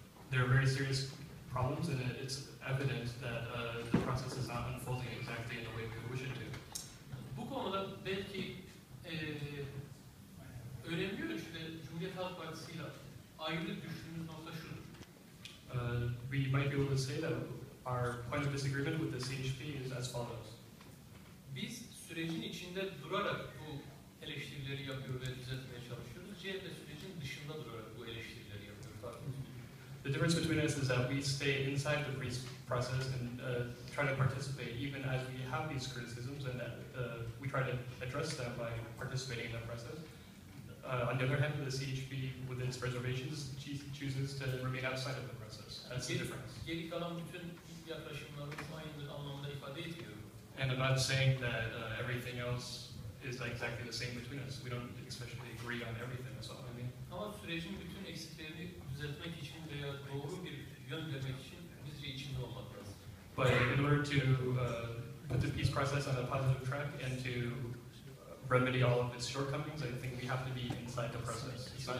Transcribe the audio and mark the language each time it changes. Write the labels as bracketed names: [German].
[English] There are very serious problems, and it's evident that the process is not unfolding exactly in the way we wish it to. [Turkish] Bu konuda belki önemli ölçüde Cumhuriyet Halk Partisi'yle ayrı düştüğümüz nokta şudur. [English] We might be able to say that our point of disagreement with the CHP is as follows. [Turkish] Biz sürecin içinde durarak bu eleştirileri yapıyor ve düzeltmeye çalışıyoruz. CHP sürecin dışında durarak bu eleştirileri yapıyor. [English] The difference between us is that we stay inside the process and try to participate even as we have these criticisms, and that we try to address them by participating in the process. On the other hand, the CHP, with its reservations, chooses to remain outside of the process. That's the difference. [Turkish] Geri kalan bütün yaklaşımlarımız aynı anlamda ifade ediyor. [English] And I'm not saying that everything else is exactly the same between us. We don't especially agree on everything, that's all I mean. [Turkish] Ama sürecin bütün eksiklerini düzeltmek için veya doğru bir yön vermek için bizce içinde olmak lazım. [English] But in order to put the peace process on a positive track and to remedy all of its shortcomings, I think we have to be inside the process.